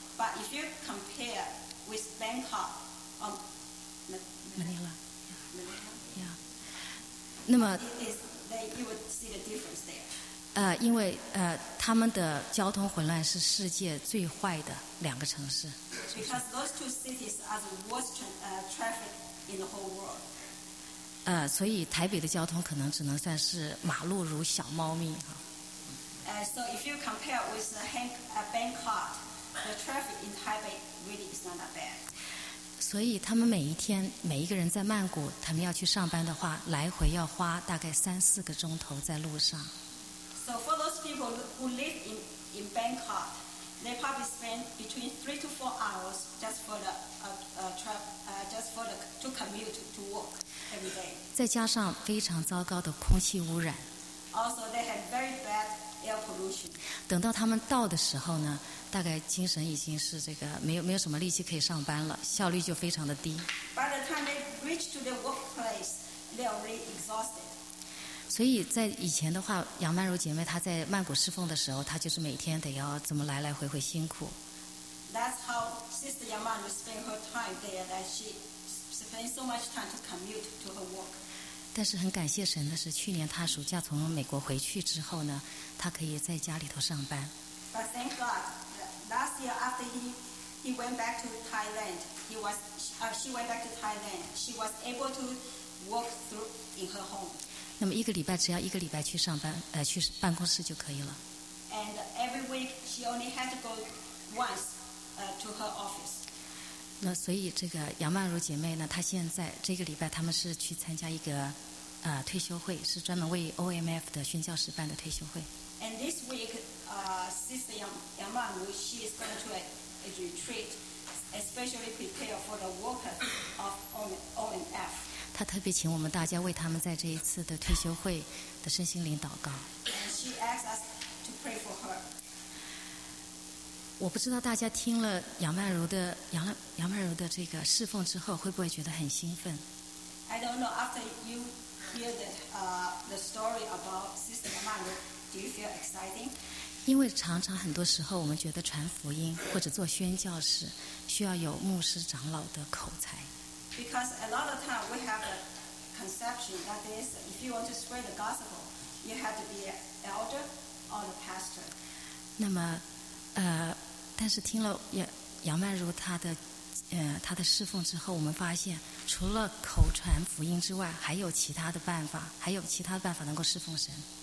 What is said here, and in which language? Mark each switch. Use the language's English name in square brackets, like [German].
[English] ，But if you compare with Bangkok or Manila, yeah, [Chinese] 那么 [English] you would see the difference there. [Chinese] 因为他们的交通混乱是世界最坏的两个城市。 [English] Because those two cities are the worst traffic in the whole world. [Chinese] 所以台北的交通可能只能算是马路如小猫咪哈。 [English] So if you compare with Bangkok, the traffic in Taipei really is not that bad. [Chinese] 所以他们每一天，每一个人在曼谷，他们要去上班的话，来回要花大概三四个钟头在路上。 [English] So for those people who live in Bangkok, they probably spend between 3 to 4 hours just for the commute to work every day. [Chinese] 再加上非常糟糕的空气污染。 [English] Also, they have very bad. [Chinese] 等到他们到的时候呢，大概精神已经是这个没有什么力气可以上班了，效率就非常的低。 [English] By the time they reach to their workplace, they're already exhausted. [Chinese] 所以在以前的话，杨曼如姐妹她在曼谷侍奉的时候，她就是每天得要这么来来回回辛苦。 [English] That's how Sister Yang Man spent her time there. That she spent so much time to commute to her work. [Chinese] 但是很感谢神的是，去年他暑假从美国回去之后呢，他可以在家里头上班。 [English] But thank God, last year after he went back to Thailand, she went back to Thailand. She was able to work through in her home. [Chinese] 那么一个礼拜只要一个礼拜去上班，去办公室就可以了。 [English] And every week she only had to go once, to her office. [Chinese] 那所以这个杨曼如姐妹呢，她现在这个礼拜他们是去参加一个退休会，是专门为 OMF 的宣教士办的退休会。 [English] And this week, Sister Yang Man Ru, she is going to a retreat, especially prepare for the workers of OMF. [Chinese] 她特别请我们大家为他们在这一次的退休会的身心灵祷告。 [English] And she asks us to pray for her. [Chinese] 我不知道大家听了杨曼如的这个侍奉之后，会不会觉得很兴奋 [English] ？I don't know. After you hear the story about Sister Yang Man Ru, do you feel exciting? [Chinese] 因为常常很多时候，我们觉得传福音或者做宣教士需要有牧师长老的口才。 [English] Because a lot of time we have a conception that is, if you want to spread the gospel, you have to be an elder or a pastor. [Chinese] 那么。但是听了杨曼如她的侍奉之后，我们发现除了口传福音之外，还有其他的办法，还有其他的办法能够侍奉神。